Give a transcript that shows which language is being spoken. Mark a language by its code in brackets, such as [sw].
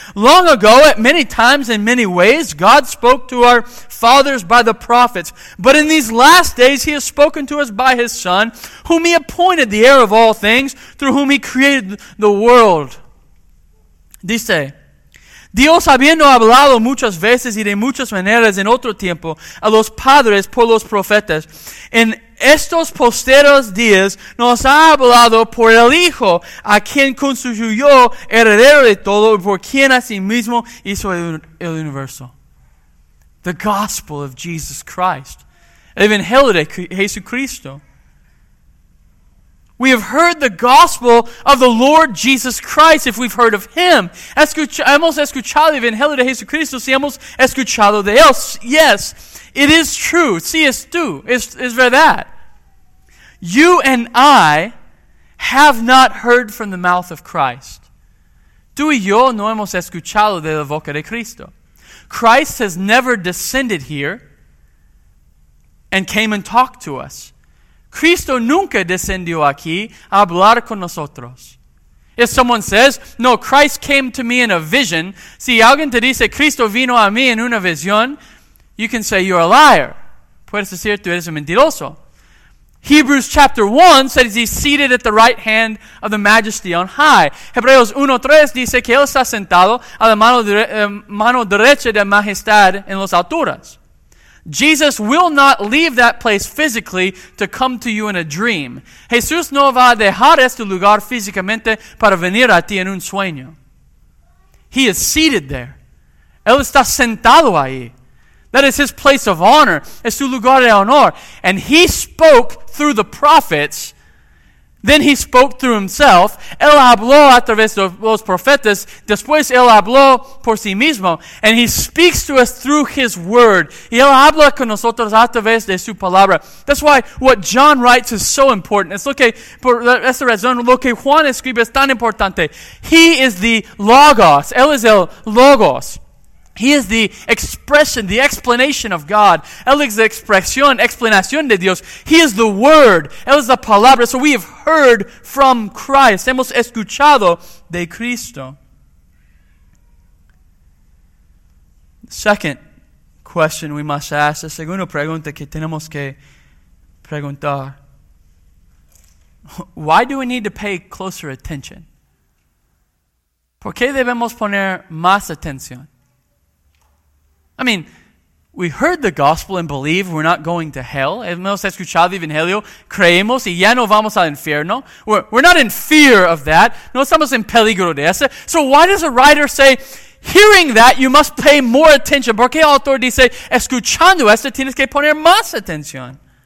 [en] Long ago, at many times and many ways, God spoke to our fathers by the prophets. But in these last days, He has spoken to us by His Son, whom He appointed the heir of all things, through whom He created the world. [es] Dice, Dios habiendo hablado muchas veces y de muchas maneras en otro tiempo a los padres por los profetas, en estos posteros días nos ha hablado por el Hijo, a quien constituyó heredero de todo, por quien a sí mismo hizo el universo. [en] The gospel of Jesus Christ. [es] El Evangelio de Jesucristo. [en] We have heard the gospel of the Lord Jesus Christ if we've heard of Him. [es] Hemos escuchado el Evangelio de Jesucristo si hemos escuchado de Él. [en] Yes, it is true. [es] Si es tú. Es verdad. [en] You and I have not heard from the mouth of Christ. [es] Tú y yo no hemos escuchado de la boca de Cristo. [en] Christ has never descended here and came and talked to us. [es] Cristo nunca descendió aquí a hablar con nosotros. [en] If someone says, no, Christ came to me in a vision. [es] Si alguien te dice, Cristo vino a mí en una visión, [en] you can say you're a liar. [es] Puedes decir, tú eres un mentiroso. [en] Hebrews chapter 1 says he's seated at the right hand of the majesty on high. [es] Hebreos 1:3 dice que él está sentado a la mano derecha de majestad en las alturas. [en] Jesus will not leave that place physically to come to you in a dream. [es] Jesús no va a dejar este lugar físicamente para venir a ti en un sueño. [en] He is seated there. [es] Él está sentado ahí. [en] That is his place of honor. [es] Es su lugar de honor. [en] And he spoke through the prophets. Then he spoke through himself. [es] Él habló a través de los profetas. Después él habló por sí mismo. [en] And he speaks to us through his word. [es] Y él habla con nosotros a través de su palabra. [en] That's why what John writes is so important. [es] Es lo que, por esa razón, lo que Juan escribe es tan importante. [en] He is the Logos. [es] Él es el Logos. [en] He is the expression, the explanation of God. [es] Él es la explanación de Dios. [en] He is the Word. [es] Él es la palabra. [en] So we have heard from Christ. [es] Hemos escuchado de Cristo. [en] Second question we must ask, [es] la segunda pregunta que tenemos que preguntar. [en] Why do we need to pay closer attention? [es] ¿Por qué debemos poner más atención? [en] I mean, we heard the gospel and believe we're not going to hell. [es] Hemos escuchado el Evangelio, creemos y ya no vamos al infierno. [en] We're not in fear of that. [es] No estamos en peligro de eso. [en] So why does a writer say, hearing that, you must pay more attention? [es] ¿Por qué el autor dice, escuchando eso, tienes que poner más atención?